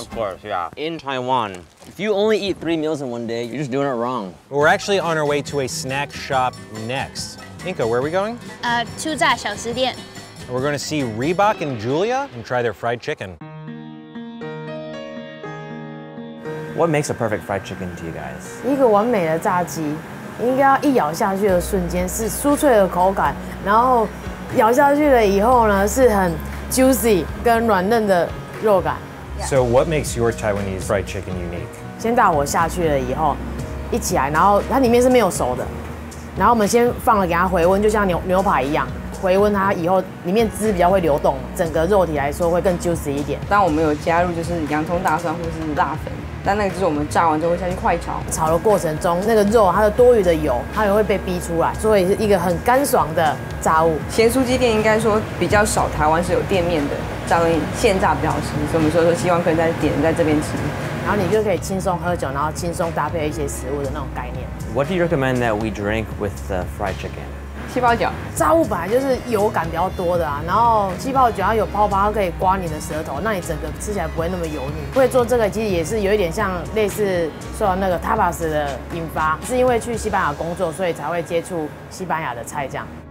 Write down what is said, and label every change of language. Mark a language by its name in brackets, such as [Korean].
[English] Of course, yeah. In Taiwan, if you only eat 3 meals in 1 day, you're just doing it wrong. We're actually on our way to a snack shop next. Inka, where are we going? Chuzha Xiaoshidian. We're going to see Reebok and Julia and try their fried chicken. What makes a perfect fried chicken to you guys? [Chinese] 一个完美的炸鸡，应该要一咬下去的瞬间是酥脆的口感，然后咬下去了以后呢，是很 juicy 跟软嫩的肉感。 [English] So what makes your Taiwanese fried chicken unique? [Chinese] 先大火下去了以后，一起来，然后它里面是没有熟的，然后我们先放了给它回温，就像牛排一样。回温它以后，里面汁比较会流动，整个肉体来说会更 juicy 一点。但我们有加入就是洋葱、大蒜或是辣粉，但那个就是我们炸完之后会下去快炒。炒的过程中，那个肉它的多余的油，它也会被逼出来，所以是一个很干爽的炸物。咸酥鸡店应该说比较少，台湾是有店面的，炸东西现炸比较好吃，所以我们说希望可以再点在这边吃。然后你就可以轻松喝酒，然后轻松搭配一些食物的那种概念。 [English] What do you recommend that we drink with the fried chicken? [Chinese] 气泡酒。炸物本来就是油感比较多的啊，然后气泡酒它有泡泡，它可以刮你的舌头，那你整个吃起来不会那么油腻。会做这个其实也是有一点像类似受到那个 tapas 的引发，是因为去西班牙工作，所以才会接触西班牙的菜酱。